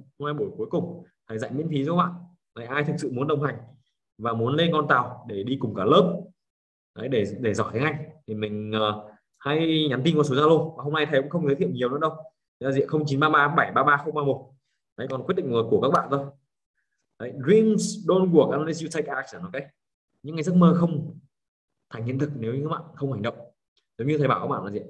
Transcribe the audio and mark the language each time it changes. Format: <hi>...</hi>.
<vi>Hôm nay buổi cuối cùng thầy dạy miễn phí cho các bạn. Đấy, ai thực sự muốn đồng hành và muốn lên con tàu để đi cùng cả lớp. Đấy, để giỏi tiếng Anh thì mình hay nhắn tin qua số Zalo. Hôm nay thầy cũng không giới thiệu nhiều nữa đâu. Là gì? 0933 733031. Đấy, còn quyết định của các bạn thôi.</vi> <en>Đấy, dreams don't work unless you take action, ok?</en> <vi>Những cái giấc mơ không thành hiện thực nếu như các bạn không hành động. Giống như thầy bảo các bạn là gì?</vi>